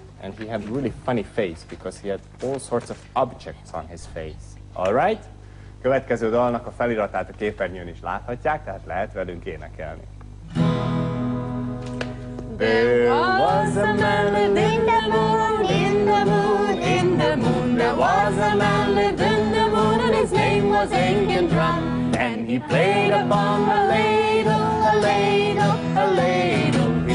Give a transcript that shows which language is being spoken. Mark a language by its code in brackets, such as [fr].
[en] And he had a really funny face because he had all sorts of objects on his face. All right? [hu] Következő dalnak a feliratát a képernyőn is láthatják, tehát lehet velünk énekelni. [en] There was a man in the moon, in the moon, in the moon. There was a man in the moon and his name was Achan Drum. And he played upon a ladle, a ladle, a ladle.